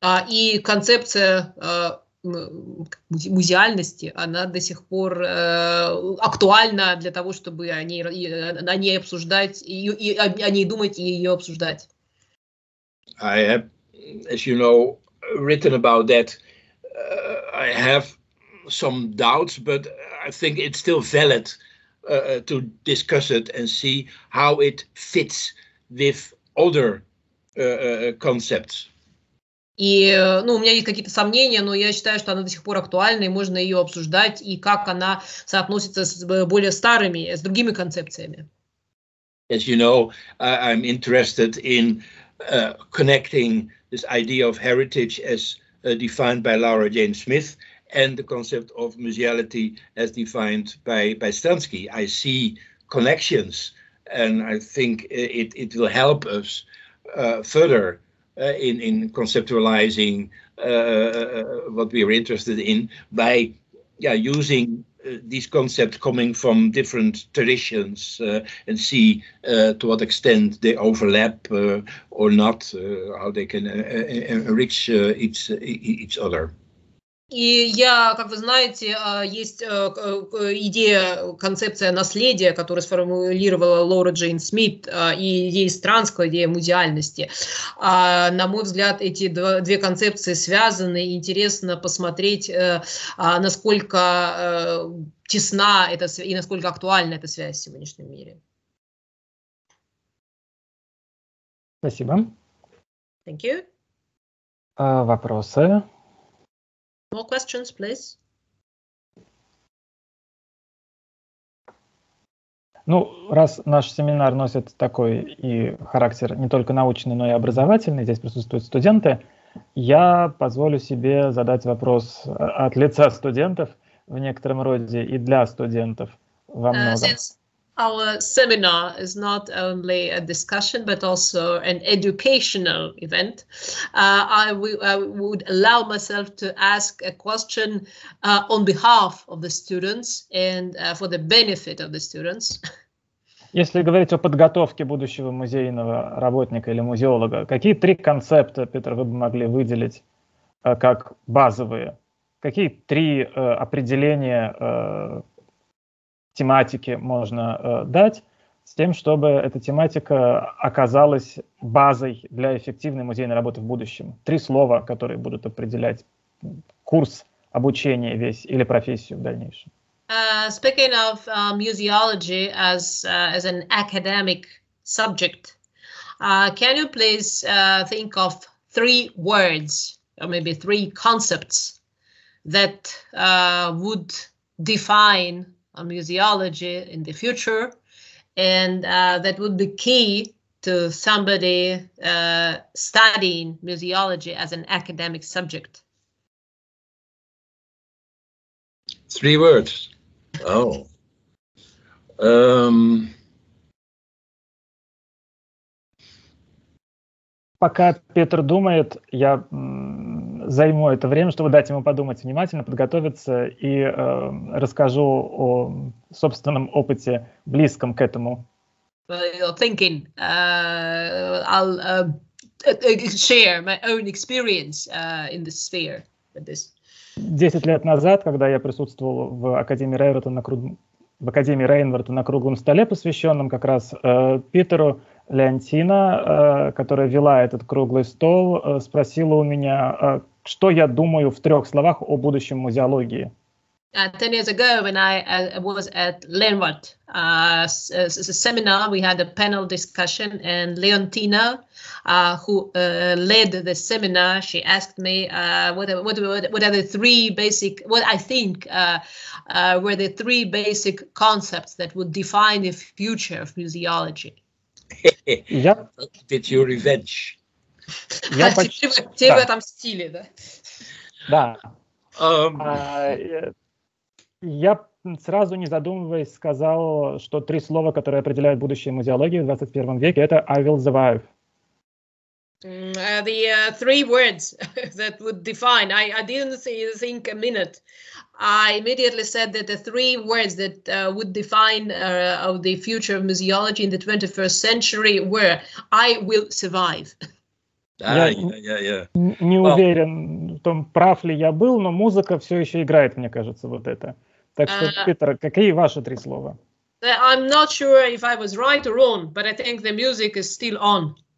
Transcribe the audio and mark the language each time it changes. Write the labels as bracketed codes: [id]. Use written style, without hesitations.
[ru] И концепция музеальности, она до сих пор актуальна для того, чтобы о ней обсуждать, о ней думать и ее обсуждать. [en] I have, as you know, written about that. I have some doubts, but I think it's still valid to discuss it and see how it fits with other concepts. [ru] И, у меня есть какие-то сомнения, но я считаю, что она до сих пор актуальна, и можно ее обсуждать, и как она соотносится с более старыми, с другими концепциями. [en] As you know, I'm interested in connecting this idea of heritage as defined by Laura Jane Smith and the concept of museality as defined by Stransky. I see connections, and I think it will help us further in conceptualizing what we are interested in by using these concepts coming from different traditions and see to what extent they overlap or not, how they can enrich each other. [ru] И я, как вы знаете, есть идея, концепция наследия, которую сформулировала Лора Джейн Смит, и идея Странского, идея музеальности. На мой взгляд, эти две концепции связаны, интересно посмотреть, насколько тесна эта связь и насколько актуальна эта связь в сегодняшнем мире. Спасибо. [en] Thank you. [ru] Вопросы? [en] More questions, please. [ru] Ну, раз наш семинар носит такой и характер не только научный, но и образовательный, здесь присутствуют студенты, я позволю себе задать вопрос от лица студентов в некотором роде и для студентов во многом. [en] Our seminar is not only a discussion, but also an educational event. I would allow myself to ask a question on behalf of the students and for the benefit of the students. [ru] Если говорить о подготовке будущего музейного работника или музеолога, какие три концепта, Петр, вы бы могли выделить как базовые? Какие три определения тематики можно дать с тем, чтобы эта тематика оказалась базой для эффективной музейной работы в будущем? Три слова, которые будут определять курс обучения весь или профессию в дальнейшем. [en] Speaking of museology as an academic subject, can you please think of three words or maybe three concepts that would define museology in the future and that would be key to somebody studying museology as an academic subject? Three words. Oh. [ru] Пока Петр думает, я займу это время, чтобы дать ему подумать внимательно, подготовиться и расскажу о собственном опыте, близком к этому. [en] You're thinking. I'll share my own experience in this sphere with this. [ru] 10 лет назад, когда я присутствовал в Академии Рейнварда на, круглом столе, посвященном как раз Питеру, Леонтина, которая вела этот круглый стол, спросила у меня, что я думаю в трех словах о будущем музеологии. [en] 10 years ago, when I was at Leonward seminar, we had a panel discussion, and Leontina, who led the seminar, she asked me what are the three basic, what I think were the three basic concepts that would define the future of museology. Did you revenge? [ru] Я почти в этом стиле, да? Да. Я сразу, не задумываясь, сказал, что три слова, которые определяют будущее музеологии в 21 веке, это [en] I will survive. The three words that would define, I didn't think a minute. I immediately said that the three words that would define of the future of museology in the 21st century were I will survive. [ru] Не уверен, в том, прав ли я был, но музыка все еще играет, мне кажется, вот это. Так что, Питер, какие ваши три слова? [en] I'm not sure if I was right or wrong, but I think the music is still on.